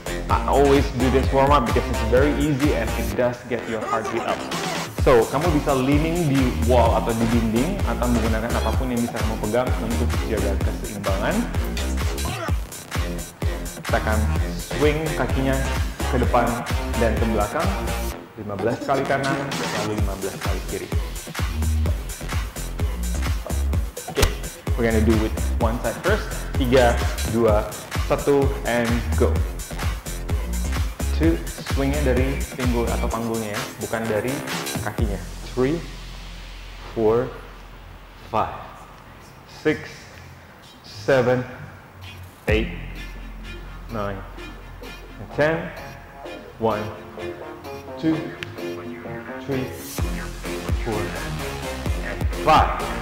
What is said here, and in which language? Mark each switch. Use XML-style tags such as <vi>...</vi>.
<en>I always do this warm up because it's very easy and it does get your heart beat up.</en> <id>So, kamu bisa leaning di wall atau di dinding atau menggunakan apapun yang bisa kamu pegang untuk jaga keseimbangan. Kita akan swing kakinya ke depan dan ke belakang 15 kali kanan lalu 15 kali kiri.</id> <en>Okay, we're gonna do with one side first. 3, 2, 1, and go.</en> <id>2, swingnya dari pinggul atau panggulnya ya, bukan dari kakinya.</id> <en>3, 4, 5, 6, 7, 8, 9, and 10, 1, 2, 3, 4, 5.</en>